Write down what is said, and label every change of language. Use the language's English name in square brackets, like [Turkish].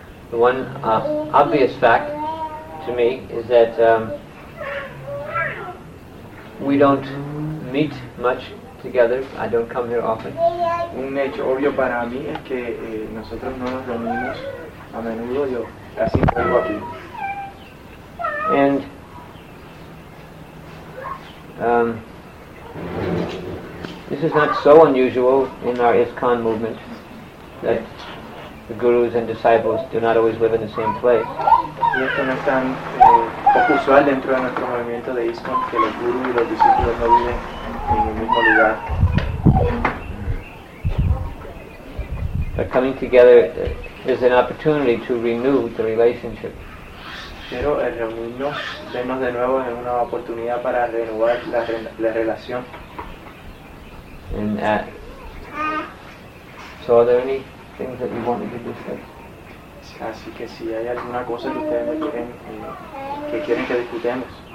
[English] The one obvious fact to me is that we don't meet much together. I don't come here often. [Spanish] Un hecho obvio para mí es que nosotros no nos reunimos a menudo. Yo casi no vengo aquí. [English] And this is not so unusual in our ISKCON movement that the gurus and disciples do not always live in the same place. [Spanish] Y esto no es tan poco usual dentro de nuestro movimiento de ISKCON que los gurús y los discípulos no viven en el mismo lugar. [English] But coming together is an opportunity to renew the relationship. [Spanish] Pero el reunirnos, vernos de nuevo es una oportunidad para renovar la relación. [English] And so are there any things that you want me to discuss? [Spanish] Así que si hay alguna cosa que ustedes me quieren que quieren que discutamos.